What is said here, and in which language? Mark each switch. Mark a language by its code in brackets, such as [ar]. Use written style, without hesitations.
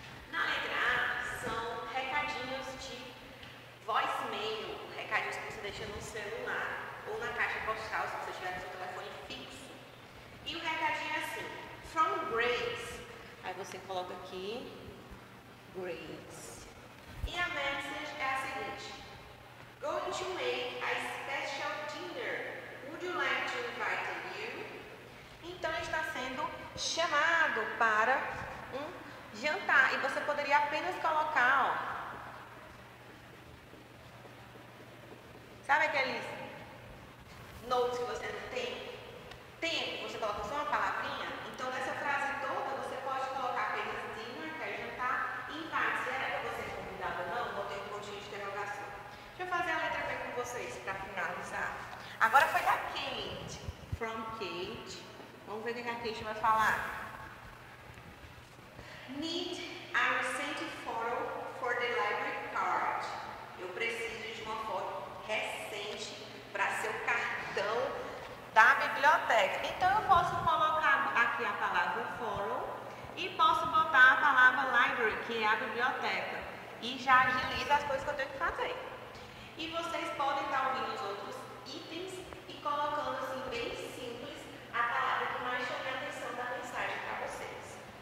[pt] Na letra A são recadinhos de voicemail, recadinhos que você deixa no celular ou na caixa postal, se você tiver no seu telefone fixo. E o recadinho é assim, from Grace. Aí você coloca aqui, Grace. E a message é a seguinte, [en] going to make a special dinner. Would you like to invite you? [pt] Então está sendo chamado para um jantar. E você poderia apenas colocar, ó. Sabe aqueles notes que você não tem? Tem, você coloca só uma palavrinha. Então nessa frase toda você pode colocar apenas dinner, que é jantar, e invite. Será que você é convidado ou não? Botei um pontinho de interrogação. Deixa eu fazer a letra B com vocês para finalizar. Agora foi da Kate. From Kate. Vamos ver o que a Kate vai falar. [en] Need a recent photo for the library card. [pt] Eu preciso de uma foto recente para seu cartão da biblioteca. Então eu posso colocar aqui a palavra photo e posso botar a palavra library, que é a biblioteca. E já agiliza as coisas que eu tenho que fazer. E vocês podem estar ouvindo os outros itens e colocando assim bem simples a palavra que mais chama a atenção da mensagem para vocês.